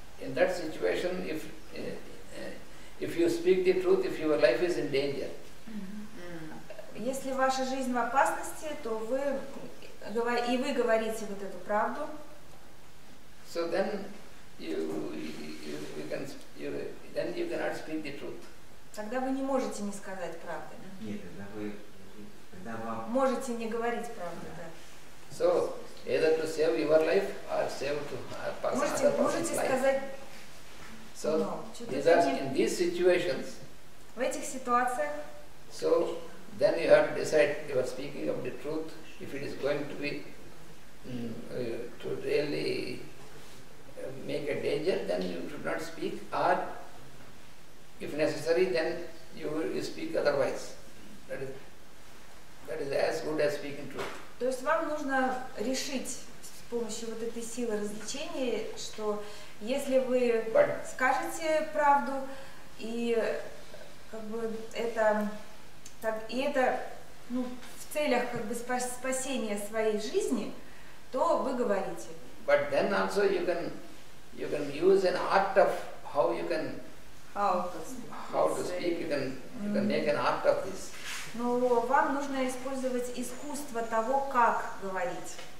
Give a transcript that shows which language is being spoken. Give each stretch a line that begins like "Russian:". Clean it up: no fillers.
English: In that situation, if you speak the truth, if your life is in danger.
Russian: Если ваша жизнь в опасности, то вы и вы говорите вот эту правду.
English: So then you cannot speak the truth.
Russian: Тогда вы не можете не сказать правды. Нет, тогда вам. Можете не говорить правду, да.
English: So either to save your life or save to other person's life.
Russian: Можете сказать.
English: So, in these situations,
Russian: в этих ситуациях,
English: so then you have to decide if you are speaking of the truth, if it is going to be to really make a danger, then you should not speak, or if necessary, then you speak otherwise. That is as good as speaking truth.
Russian: То есть вам нужно решить с помощью вот этой силы развлечения, что если вы скажете правду, и как бы это так, и это ну, в целях как бы спасения своей жизни, то вы говорите.
English: But then also you can use an art of how to speak. You can make an art of this.
Russian: Но вам нужно использовать искусство того, как говорить.